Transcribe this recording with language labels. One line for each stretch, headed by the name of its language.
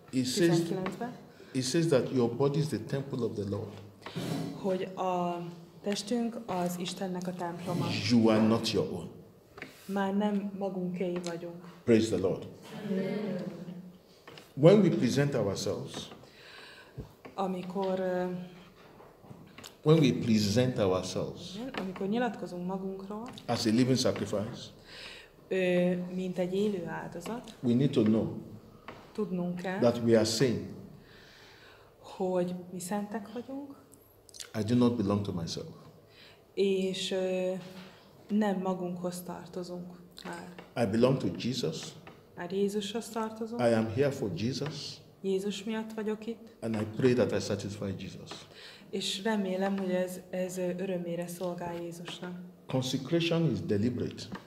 English: it says that your body is the temple of the Lord.
Hungarian: Hogy a testünk az Istennek a temploma.
English: You are not your own.
Hungarian: Már nem magunkéi vagyunk.
English: Praise the Lord. Amen. When we present ourselves.
Hungarian: Amikor
English: when we present ourselves.
Hungarian: Amikor nyilatkozunk magunkról.
English: As a living sacrifice.
Hungarian: Mint egy élő áldozat.
English: We need to know.
Hungarian: Tudnunk kell.
English: That we are saying.
Hungarian: Hogy mi szentek vagyunk.
English: I do not belong to myself.
Hungarian: És nem magunkhoz tartozunk már.
English: I belong to Jesus.
Hungarian: Már Jézushoz tartozunk.
English: I am here for Jesus.
Hungarian: Jézus miatt vagyok itt.
English: And I pray that I satisfy Jesus.
Hungarian: És remélem, hogy ez örömére szolgál Jézusnak.
English: Consecration is deliberate.